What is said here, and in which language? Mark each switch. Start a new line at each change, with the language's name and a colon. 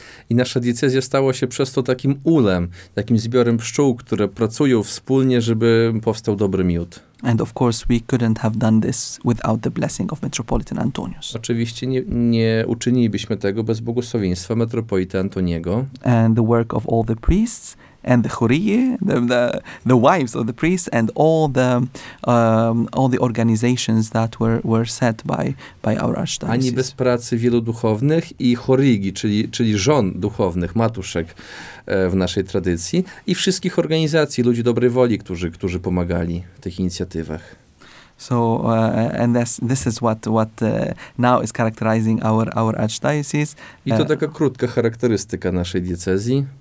Polish: I nasza diecezja stała się przez to takim ulem, takim zbiorem pszczół, które pracują wspólnie, żeby powstał dobry miód.
English: And of course we couldn't have done this without the blessing of Metropolitan Antonius.
Polish: Oczywiście nie uczynilibyśmy tego bez błogosławieństwa metropolity Antoniego.
English: And the work of all the priests and the churie, the wives of the priests and all the organizations that were set by our archdiocese.
Polish: Ani bez pracy wielu duchownych i chorigi, czyli żon duchownych, matuszek w naszej tradycji i wszystkich organizacji, ludzi dobrej woli, którzy pomagali w tych inicjatywach.
English: So and this is what now is characterizing our archdiocese.
Polish: I to taka krótka charakterystyka naszej diecezji.